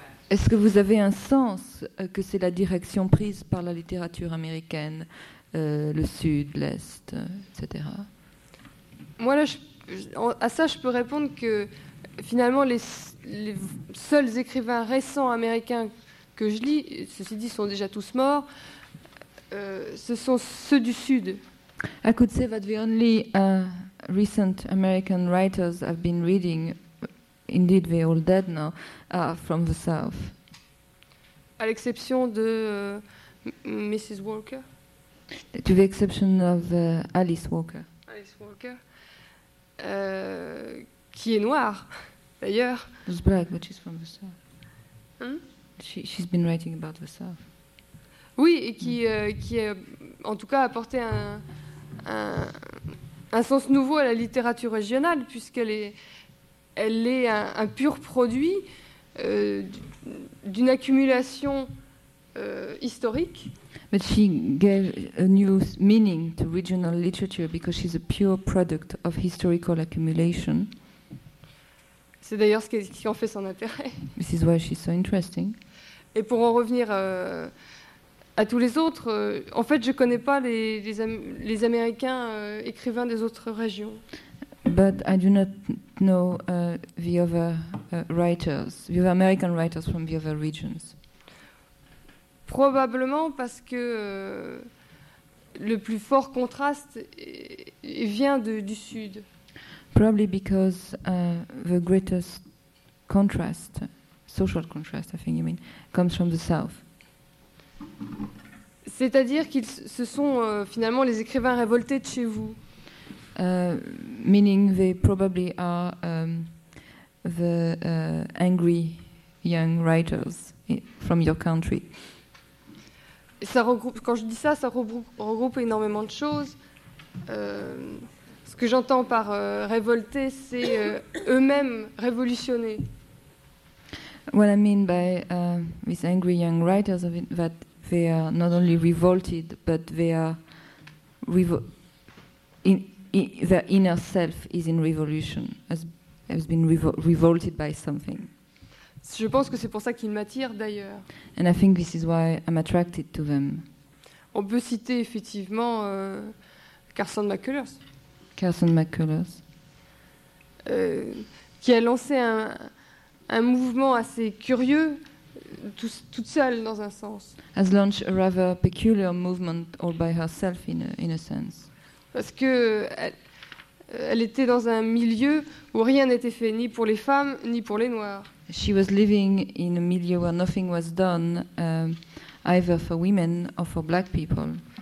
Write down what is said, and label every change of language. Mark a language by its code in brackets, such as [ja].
[fr] Est-ce que vous avez un sens que c'est la direction prise par la littérature américaine, le Sud, l'Est, etc. Moi, là, je peux répondre que finalement, les seuls écrivains récents américains que je lis, ceci dit, sont déjà tous morts, ce sont ceux du Sud. [en] I could say that the only recent American writers I've been reading, indeed, they're all dead now, from the South. [fr] À l'exception de Mrs. Walker. [en] To the exception of Alice Walker. [fr] Alice Walker, qui est noire, d'ailleurs. [en] She's black, but she's from the South. She's been writing about the South. [fr] Oui, et qui a, en tout cas, apporté un sens nouveau à la littérature régionale, puisqu'elle est... Elle est un pur produit d'une accumulation historique. [en] But she gave a new meaning to regional literature because she's a pure product of historical accumulation. [fr] C'est d'ailleurs ce qui en fait son intérêt. [en] This is why she's so interesting. [fr] Et pour en revenir à tous les autres, en fait, je ne connais pas les Américains écrivains des autres régions. [en] But I do not know the other writers, the other American writers from the other regions. [fr] Probablement parce que le plus fort contraste vient du Sud. [en] Probably because the greatest contrast, social contrast, I think you mean, comes from the South. [fr] C'est-à-dire que ce sont finalement les écrivains révoltés de chez vous. [en] Meaning they probably are the angry young writers from your country. [fr] Ça regroupe, quand je dis ça, ça regroupe énormément de choses. Ce que j'entends par révolter, c'est eux-mêmes révolutionner. [en] What I mean by these angry young writers is that they are not only revolted, but they are revolted. Their inner self is in revolution, as has been revolted by something. [fr] Je pense que c'est pour ça qu'ils m'attirent d'ailleurs. [en] And I think this is why I'm attracted to them. [fr] On peut citer effectivement Carson McCullers. [en] Carson McCullers. [fr] Qui a lancé un mouvement assez curieux, toute seule dans un sens. [en] Has launched a rather peculiar movement all by herself in a sense. [fr] Parce que elle était dans un milieu où rien n'était fait ni pour les femmes ni pour les noirs. [en] She was living in a milieu where nothing was done either for women or for black people.